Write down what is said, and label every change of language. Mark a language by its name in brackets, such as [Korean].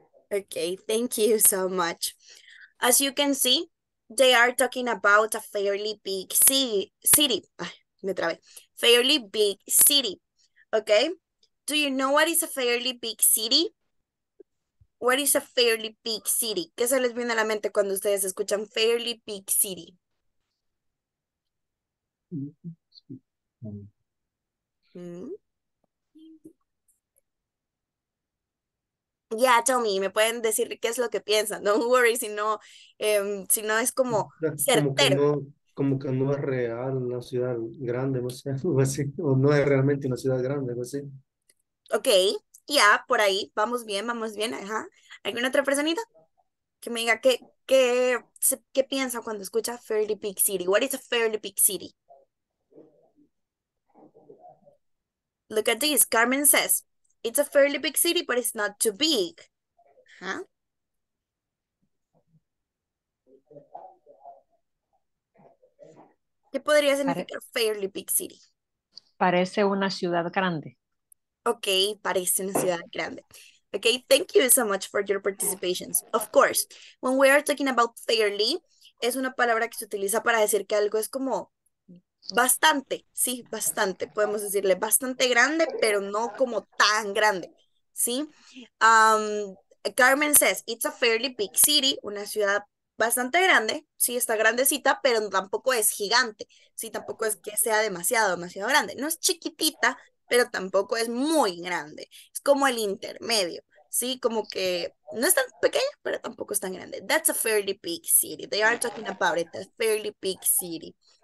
[English] Okay, thank you so much. As you can see, they are talking about a fairly big city. Fairly big city. Okay? Do you know what is a fairly big city? What is a fairly big city? [Spanish] ¿Qué se les viene a la mente cuando ustedes escuchan fairly big city? [English] Yeah, tell me, [Spanish] me pueden decir qué es lo que piensan. [English] Don't worry, [Spanish] si no es como certero. Como que no es real una ciudad grande, no sé, o no es realmente una ciudad grande, no sé. Ok, ya, por ahí, vamos bien, ajá. ¿Alguna otra personita que me diga qué piensa cuando escucha fairly big city? [English] What is a fairly big city? Look at this, Carmen says, it's a fairly big city, but it's not too big. Huh? [Spanish] ¿Qué podría significar fairly big city? Parece una ciudad grande. Okay, parece una ciudad grande. [English] Okay, thank you so much for your participation. Of course, when we are talking about fairly, [Spanish] es una palabra que se utiliza para decir que algo es como bastante, sí, bastante. Podemos decirle bastante grande, pero no como tan grande, ¿sí? [English] Carmen says, it's a fairly big city, [Spanish] una ciudad bastante grande. Sí, está grandecita, pero tampoco es gigante. Sí, tampoco es que sea demasiado grande. No es chiquitita, pero tampoco es muy grande. Es como el intermedio, ¿sí? Como que no es tan pequeña, pero tampoco es tan grande. [English] That's a fairly big city. They are talking about it, a fairly big city.